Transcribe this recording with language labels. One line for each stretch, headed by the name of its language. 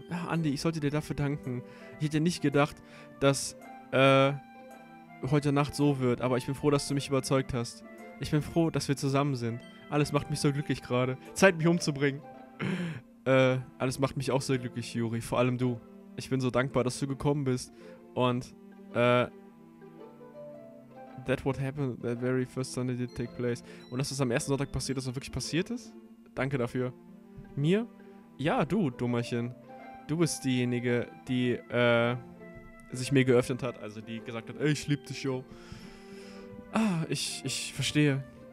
German: Ja, Andi, ich sollte dir dafür danken. Ich hätte nicht gedacht, dass, heute Nacht so wird, aber ich bin froh, dass du mich überzeugt hast. Ich bin froh, dass wir zusammen sind. Alles macht mich so glücklich gerade. Zeit, mich umzubringen. Alles macht mich auch sehr glücklich, Juri. Vor allem du. Ich bin so dankbar, dass du gekommen bist. Und,
English: that what happened that very first Sunday did take place.
German: Und dass das am ersten Sonntag passiert ist und wirklich passiert ist? Danke dafür. Mir? Ja, du, Dummerchen. Du bist diejenige, die, sich mir geöffnet hat, also die gesagt hat, ey, ich liebe dich, yo. Ah, ich verstehe.